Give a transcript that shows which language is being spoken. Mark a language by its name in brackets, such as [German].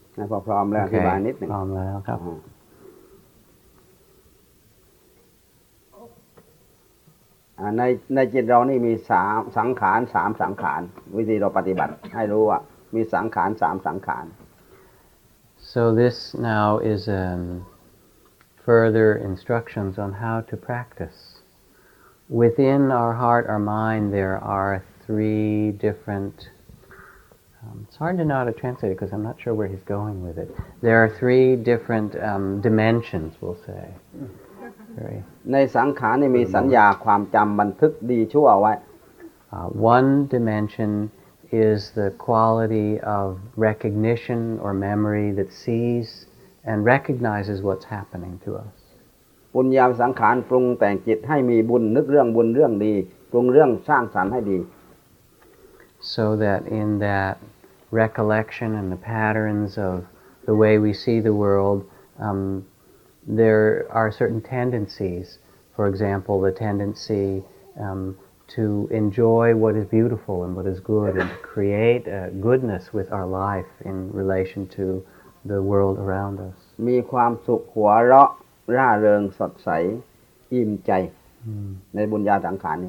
[Thai] พอพร้อมแล้วอธิบายนิดนึง พร้อมแล้วครับ ในจิตเรานี่มีสามสังขารสามสังขารวิธีเราปฏิบัติให้รู้ว่ามีสังขารสามสังขาร [English] So this now is further instructions on how to practice within our heart or mind there are three differentIt's hard to know how to translate it because I'm not sure where he's going with it. There are three different dimensions, we'll say. [Thai] ในสังขารนี่มีสัญญาความจำบันทึกดีชั่วเอาไว้ [English] One dimension is the quality of recognition or memory that sees and recognizes what's happening to us. [Thai] บุญญาสังขารปรุงแต่งจิตให้มีบุญนึกเรื่องบุญเรื่องดีปรุงเรื่องสร้างสรรค์ให้ดี [English] So that in that recollection and the patterns of the way we see the world, there are certain tendencies. For example, the tendency to enjoy what is beautiful and what is good and to create goodness with our life in relation to the world around us. [Thai] มีความสุขหัวเราะร่าเริงสดใสอิ่มใจในบุญญาสังขารนี